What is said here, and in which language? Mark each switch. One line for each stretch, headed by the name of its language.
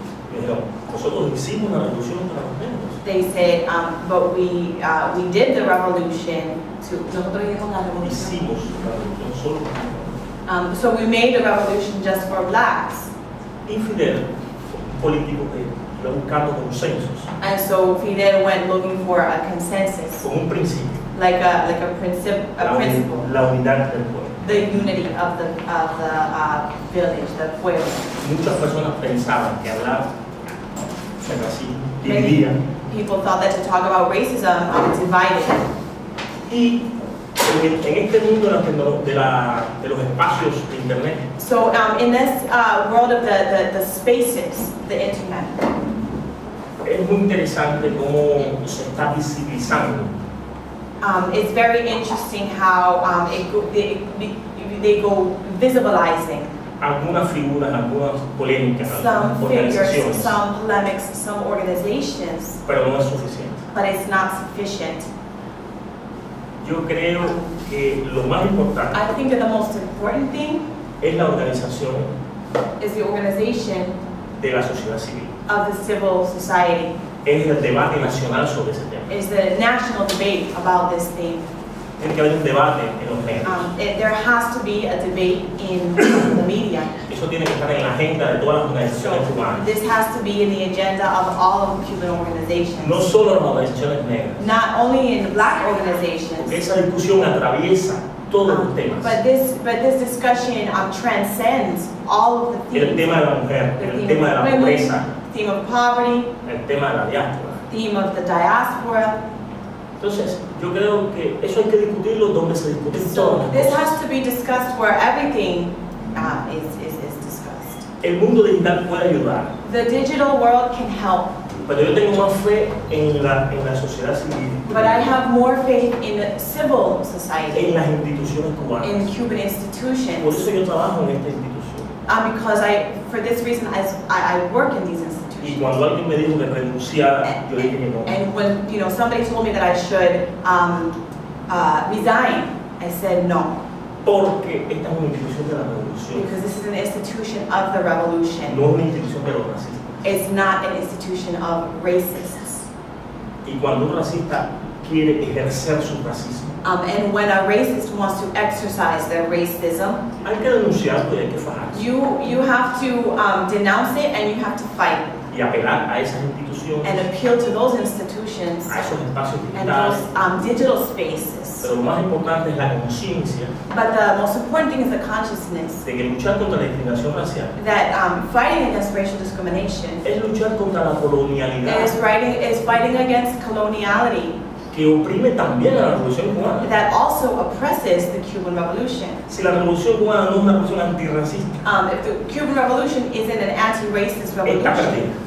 Spanish: Pero nosotros hicimos la revolución contra los negros.
English: They said, but we did the revolution to.
Spanish: Nosotros hicimos la revolución solo para negros.
English: So we made the revolution just for blacks.
Spanish: Y Fidel, político que buscando consensos.
English: And so Fidel went looking for a consensus.
Spanish: Con un principio.
English: Like a principle.
Spanish: La unidad del pueblo.
English: The unity of the village, the pueblo.
Spanish: Muchas personas pensaban que hablar de racismo dividía.
English: People thought that to talk about racism divided.
Spanish: Y en este mundo de los espacios de internet.
English: So in this world of the spaces, the internet.
Spanish: Es muy interesante cómo se está visibilizando.
English: It's very interesting how they go visibilizing.
Spanish: Algunas figuras, algunas polémicas,
English: some
Spanish: organizaciones.
English: Figures, some polemics, some organizations.
Spanish: Pero no es suficiente.
English: But it's not sufficient.
Spanish: Yo creo que lo más importante.
English: I think that the most important thing.
Spanish: Es la organización.
English: Is the organization.
Spanish: De la sociedad civil.
English: Of the civil society.
Spanish: Es el debate nacional sobre ese tema.
English: Is the national debate about this thing.
Spanish: Tiene que haber un debate en los medios.
English: There has to be a debate in the media.
Spanish: Eso tiene que estar en la agenda de todas las organizaciones cubanas.
English: This has to be in the agenda of all of the Cuban organizations.
Spanish: No solo las organizaciones negras.
English: Not only in black organizations.
Spanish: Porque esa discusión atraviesa todos los temas.
English: But this discussion transcends all of the themes.
Spanish: El tema de la mujer, el tema de la pobreza.
English: Theme of poverty.
Spanish: El tema de la diáspora.
English: Theme of the diaspora.
Spanish: Entonces, yo creo que eso hay que discutirlo donde se discute
English: so
Spanish: todo.
English: This has to be discussed where everything is discussed.
Spanish: El mundo digital puede ayudar.
English: The digital world can help.
Spanish: Pero yo tengo más fe en la sociedad civil.
English: But I have more faith in the civil society.
Spanish: En las instituciones cubanas.
English: In Cuban institutions.
Spanish: Por eso yo trabajo en esta institución.
English: Because I, for this reason, I work in these institutions.
Spanish: Y cuando alguien me dijo que renunciara, yo dije que no.
English: And when, you know, somebody told me that I should resign, I said no.
Spanish: Porque esta es una institución de la revolución.
English: Because this is an institution of the revolution.
Spanish: No es una institución de los racistas.
English: It's not an institution of racists.
Spanish: Y cuando un racista quiere ejercer su racismo.
English: And when a racist wants to exercise their racism,
Spanish: hay que denunciarlo y hay que fajarse.
English: You have to denounce it and you have to fight.
Spanish: Y apelar a esas instituciones.
English: And appeal to those institutions.
Spanish: A esos espacios digitales.
English: And those digital spaces.
Spanish: Pero lo más importante es la conciencia.
English: But the most important thing is the consciousness.
Spanish: De que luchar contra la discriminación racial.
English: That fighting against racial discrimination.
Spanish: Es luchar contra la colonialidad.
English: Is fighting against coloniality.
Spanish: Que oprime también a la revolución cubana.
English: That also oppresses the Cuban Revolution.
Spanish: Si la revolución cubana no es una revolución antirracista.
English: If the Cuban Revolution isn't an anti-racist revolution.